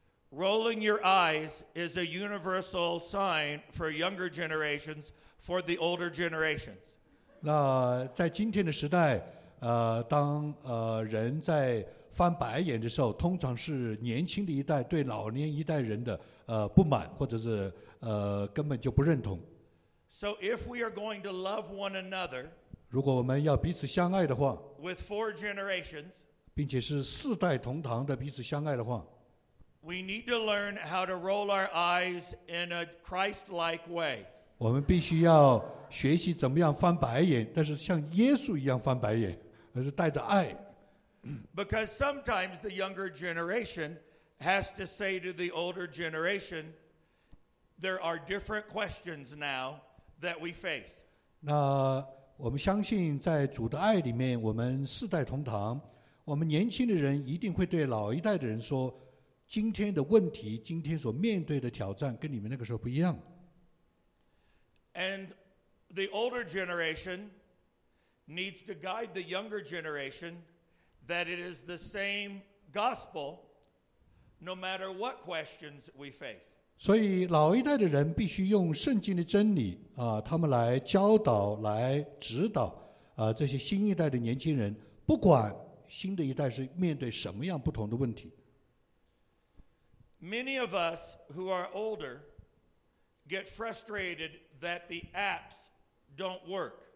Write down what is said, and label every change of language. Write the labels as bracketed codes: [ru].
[en] Rolling your eyes is a universal sign for younger generations for the older generations. [zh] 那在今天的时代，当人在翻白眼的时候，通常是年轻的一代对老年一代人的不满，或者是根本就不认同。 [en] So if we are going to love one another, [zh] 如果我们要彼此相爱的话 [en] ，with four generations, [zh] 并且是四代同堂的彼此相爱的话 [en] ，we need to learn how to roll our eyes in a Christ-like way. [zh] 我们必须要学习怎么样翻白眼，但是像耶稣一样翻白眼，而是带着爱。 [en] Because sometimes the younger generation has to say to the older generation, there are different questions now that we face. [zh] 那我们相信在主的爱里面，我们四代同堂，我们年轻的人一定会对老一代的人说，今天的问题，今天所面对的挑战跟你们那个时候不一样。 [en] And the older generation needs to guide the younger generation that it is the same gospel, no matter what questions we face. [zh] 所以老一代的人必须用圣经的真理啊，他们来教导、来指导啊这些新一代的年轻人，不管新的一代是面对什么样不同的问题。 [en] Many of us who are older get frustrated that the apps don't work.